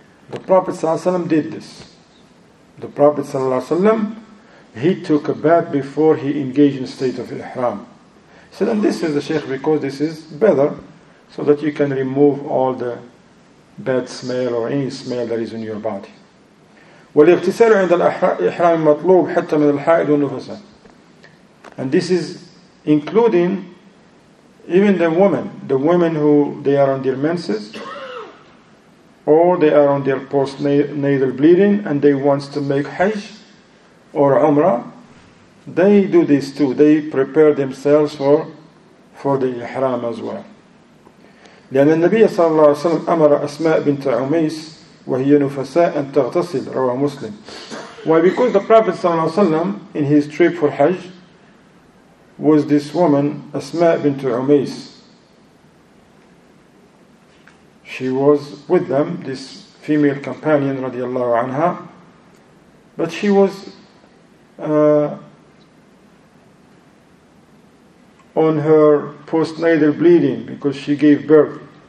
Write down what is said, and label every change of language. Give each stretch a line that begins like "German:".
English: The Prophet ﷺ did this. The Prophet ﷺ, he took a bath before he engaged in the state of Ihram. So then this is the Shaykh because this is better so that you can remove all the bad smell or any smell that is in your body.
Arabic: والاغتسال عند الإحرام مطلوب حتى من الحائض والنفاس.
English: And this is including even the women who they are on their menses, or they are on their postnatal bleeding, and they want to make Hajj or Umrah, they do this too. They prepare themselves for the إحرام as well.
Arabic: لأن النبي صلى الله عليه وسلم أمر أسماء بنت عميس وهي نفساء أن تغتسل رواه مسلم.
English: Why? Because the Prophet
Arabic: صلى الله عليه وسلم
English: in his trip for Hajj was this woman أسماء بنت عميس. She was with them, this female companion
Arabic: رضي الله عنها,
English: but she was on her postnatal bleeding because she gave birth.